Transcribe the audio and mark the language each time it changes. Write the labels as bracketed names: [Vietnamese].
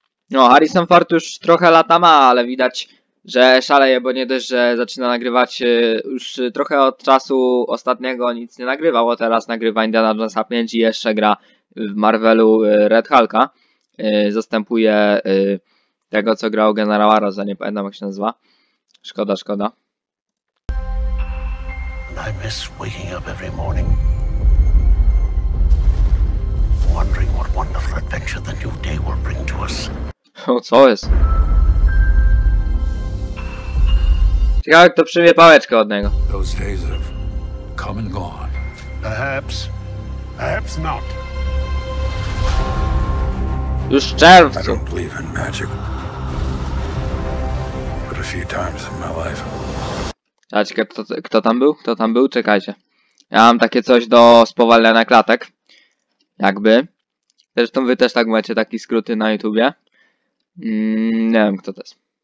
[Polish] No, Harrison Ford już trochę lata ma, ale widać, że szaleje, bo nie dość, że zaczyna nagrywać już trochę od czasu ostatniego nic nie nagrywał, bo teraz nagrywa Indiana Jonesa 5 i jeszcze gra w Marvelu Red Hulka. Zastępuje tego, co grał generała Rosa, nie pamiętam jak się nazywa. Szkoda. [English] I miss waking up every morning. Wondering what wonderful adventure the new day will bring to us. [Polish] O, co jest? Ciekawe, kto przyjmie pałeczkę od niego. [English] Those days have come and gone. Perhaps, perhaps not. [Polish] Już czerwcu. [English] I don't believe in magic. But a few times in my life. [Polish] Czekaj, kto tam był? Kto tam był? Czekajcie. Ja mam takie coś do spowalniania klatek. Jakby. Zresztą wy też tak macie takie skróty na YouTubie. Nie wiem, kto to jest.